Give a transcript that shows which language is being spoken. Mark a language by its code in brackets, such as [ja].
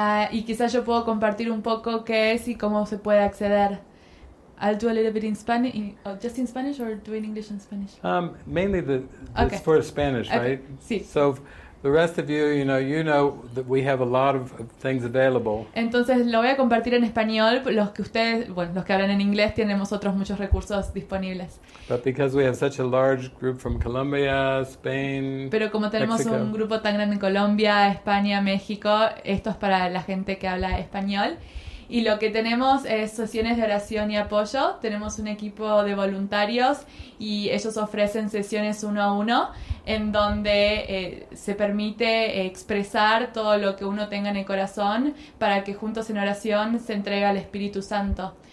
[es] Y quizás yo puedo compartir un poco qué es y cómo se puede acceder. [en] I'll do a little bit in Spanish, just in Spanish, or do in English and Spanish. Mainly the it's for Spanish, right? [es] Sí. [en] So. The rest of you, you know that we have a lot of things available. [es] Entonces lo voy a compartir en español. Los que ustedes, bueno, los que hablan en inglés, tenemos otros muchos recursos disponibles. [en] But because we have such a large group from Colombia, Spain, [es] pero como tenemos [en] Mexico, [es] un grupo tan grande en Colombia, España, México, esto es para la gente que habla español. Y lo que tenemos es sesiones de oración y apoyo. Tenemos un equipo de voluntarios y ellos ofrecen sesiones uno a uno en donde se permite expresar todo lo que uno tenga en el corazón para que juntos en oración se entregue al Espíritu Santo.